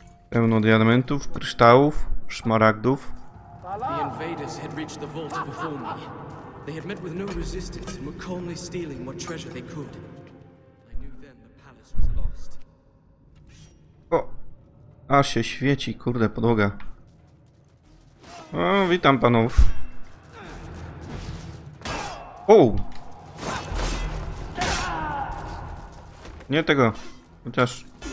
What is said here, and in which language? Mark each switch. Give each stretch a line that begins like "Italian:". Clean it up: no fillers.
Polish: Pełno diamentów, kryształów, szmaragdów.
English: The invaders had reached the vault before me. They had met with no resistance and were calmly stealing what treasure they could. I knew then the palace was lost. O,
Polish: A się świeci, kurde, podłoga. O, witam panów. O! Nie tego, chociaż...